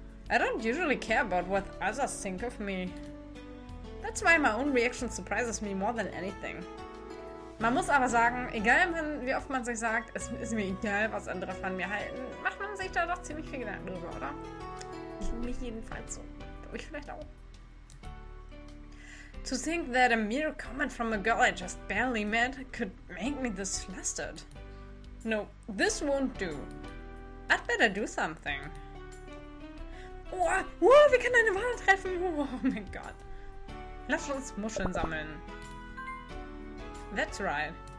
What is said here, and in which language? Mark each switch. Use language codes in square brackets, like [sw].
[en] I don't usually care about what others think of me. That's why my own reaction surprises me more than anything. [de] Man muss aber sagen, egal wie oft man sich sagt, es ist mir egal, was andere von mir halten, macht man sich da doch ziemlich viel Gedanken drüber, oder? Mich jedenfalls so. Ich vielleicht auch. [en] To think that a mere comment from a girl I just barely met could make me this flustered. No, this won't do. I'd better do something. [de] Oh, wir können eine Wahl treffen. Oh mein Gott. Lass uns Muscheln sammeln. [en] That's right.